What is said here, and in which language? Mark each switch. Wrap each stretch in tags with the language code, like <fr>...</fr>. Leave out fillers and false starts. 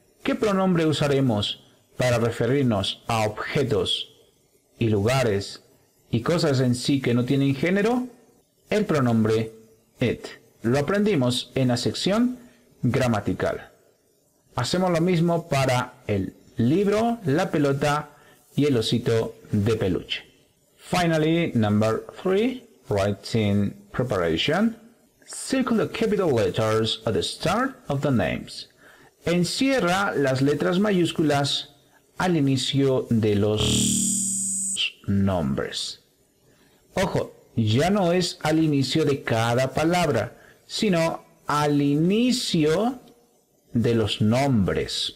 <es>¿Qué pronombre usaremos para referirnos a objetos y lugares y cosas en sí que no tienen género? El pronombre it. Lo aprendimos en la sección gramatical. Hacemos lo mismo para el libro, la pelota y el osito de peluche.</es> <en>Finally, number 3, writing preparation. Circle the capital letters at the start of the names.</en> <es>Encierra las letras mayúsculas al inicio de los nombres. Ojo, ya no es al inicio de cada palabra, sino al inicio de los nombres.</es>